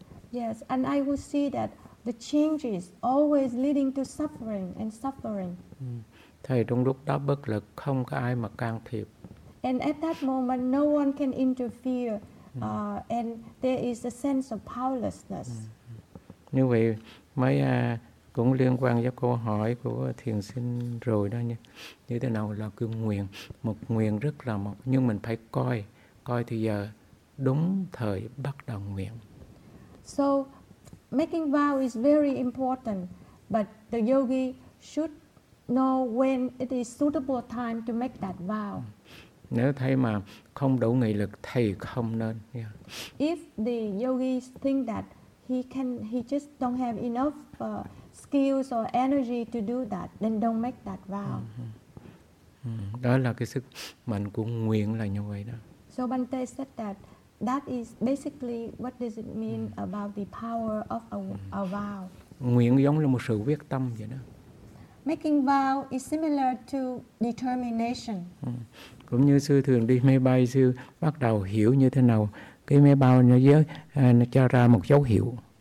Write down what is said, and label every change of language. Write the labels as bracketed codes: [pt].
[en] Yes, and I would see that the changes always leading to suffering and suffering. [vi] Thầy trong lúc đó bất lực không có ai mà can thiệp. [en] And at that moment no one can interfere and there is a sense of powerlessness. [vi] Như vậy mấy cũng liên quan với câu hỏi của thiền sinh rồi đó nha. Như thế nào là cái nguyện, một nguyện rất là một, nhưng mình phải coi thì giờ đúng thời bắt đầu nguyện. [en] So making vow is very important, but the yogi should know when it is suitable time to make that vow. [vi] Nếu thấy mà không đủ nghị lực thì không nên. [en] Yeah. If the yogi think that he just don't have enough skills or energy to do that, then don't make that vow. [vi] Đó là cái sức mạnh của nguyện là như vậy đó. [en] So Bhante said that is basically what does it mean about the power of a vow. [vi] Nguyện giống là một sự quyết tâm vậy đó. [en] Making vow is similar to determination. [vi] Cũng như sư thường đi máy bay, sư bắt đầu hiểu như thế nào cái máy bay nó cho ra một dấu hiệu.